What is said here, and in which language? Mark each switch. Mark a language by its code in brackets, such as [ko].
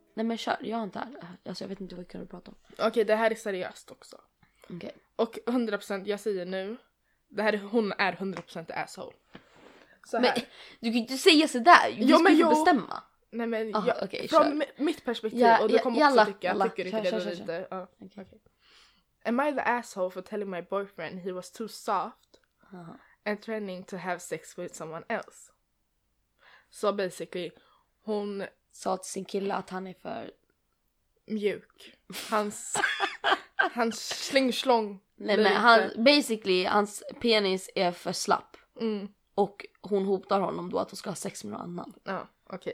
[sv] Nej men kör, jag har inte här. Alltså jag vet inte vad du pratar om. Okej, det här är seriöst också. Okej. Och 100% jag säger nu. Det här, hon är 100% asshole. Så här. Men du kan ju inte säga sådär. Du ska ju bestämma. Nej men från mitt perspektiv. Och du kommer också tycka. Tycker du inte det? [en] Okej. Am I the asshole for telling my boyfriend he was too soft and training to have sex with someone else? [sv] Så [en] so basically, [sv] hon sa till sin kille att han är för mjuk. Hans hans slingslång. Nej, men han, basically, hans penis är för slapp. Mm. Och hon hotar honom då att hon ska ha sex med någon annan. Ja, okej.